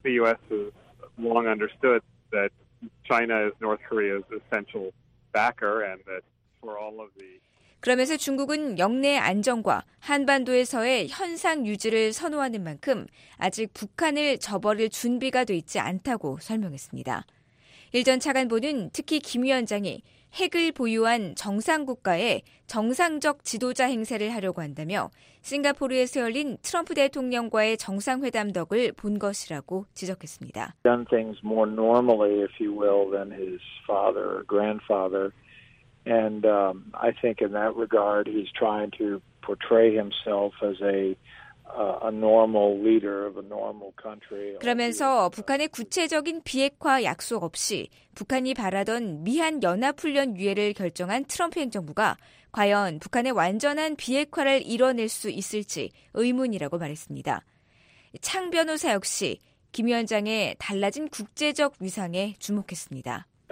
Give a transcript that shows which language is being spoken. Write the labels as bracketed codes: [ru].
[en] The U.S. has long understood that. China is North Korea's essential backer, and that for all of the. [ko] 그러면서 중국은 영내 안정과 한반도에서의 현상 유지를 선호하는 만큼 아직 북한을 저버릴 준비가 돼 있지 않다고 설명했습니다. 일 전 차관보는 특히 김 위원장이 핵을 보유한 정상 국가의 정상적 지도자 행세를 하려고 한다며 싱가포르에서 열린 트럼프 대통령과의 정상회담 덕을 본 것이라고 지적했습니다. [en] Done things more normally, if you will, than his father or grandfather. And I think in that regard, he's trying to portray himself as a normal leader of a normal country. [ko] 그러면서 북한의 구체적인 비핵화 약속 없이 북한이 바라던 미한 연합훈련 유예를 결정한 트럼프 행정부가 과연 북한의 완전한 비핵화를 이뤄낼 수 있을지 의문이라고 말했습니다. 창 변호사 역시 김 위원장의 달라진 국제적 위상에 주목했습니다.